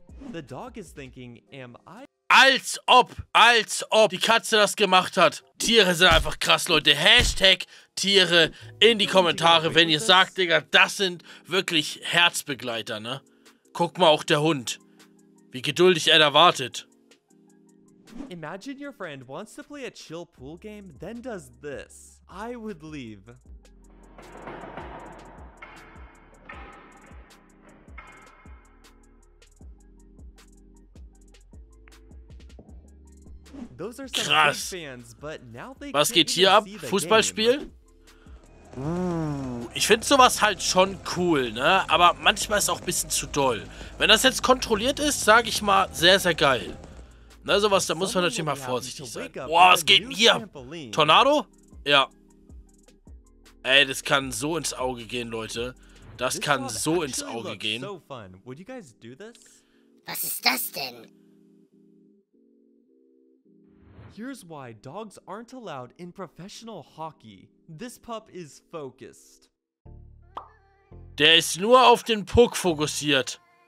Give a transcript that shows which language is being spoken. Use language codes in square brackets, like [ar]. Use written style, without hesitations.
[en] The dog is thinking, am I... [de] Als ob die Katze das gemacht hat. Tiere sind einfach krass, Leute. Hashtag Tiere in die Kommentare, wenn ihr sagt, Digga, das sind wirklich Herzbegleiter, ne? Guck mal, auch der Hund. Wie geduldig er da wartet. [en] Imagine your friend wants to play a chill pool game, then does this. I would leave. [de] Krass. Was geht hier ab? Fußballspiel? Ich finde sowas halt schon cool, ne? Aber manchmal ist auch ein bisschen zu doll. Wenn das jetzt kontrolliert ist, sage ich mal, sehr, sehr geil. Ne, sowas, da muss man natürlich mal vorsichtig sein. Boah, was geht denn hier? Tornado? Ja. Ey, das kann so ins Auge gehen, Leute. Das kann so ins Auge gehen. Was ist das denn? [en] Here's why dogs aren't allowed in professional hockey. This pup is focused. [de] Der ist nur auf den Puck fokussiert.